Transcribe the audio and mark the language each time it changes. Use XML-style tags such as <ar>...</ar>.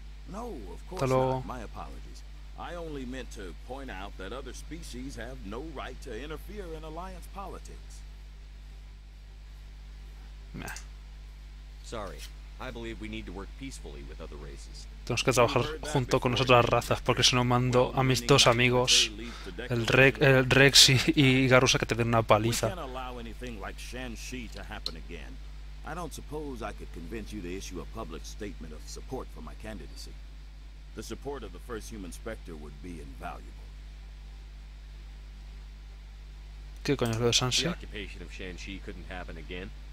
<en>No, of course not. My apologies. I only meant to point out that other species have no right to interfere in alliance politics. Meh. Sorry. I believe we need to work peacefully with other races.</en> <es>Tenemos que trabajar junto con otras razas, porque si no mando a mis dos amigos, el Rex y Garusa, que te den una paliza.</es> <en>We can't allow anything like Shanxi to happen again. I don't suppose I could convince you to issue a public statement of support for my candidacy. The support of the first human specter would be invaluable.</en> <es>¿Qué coño es lo de Shanxi?</es> <en>The occupation of Shanxi couldn't happen again.</en>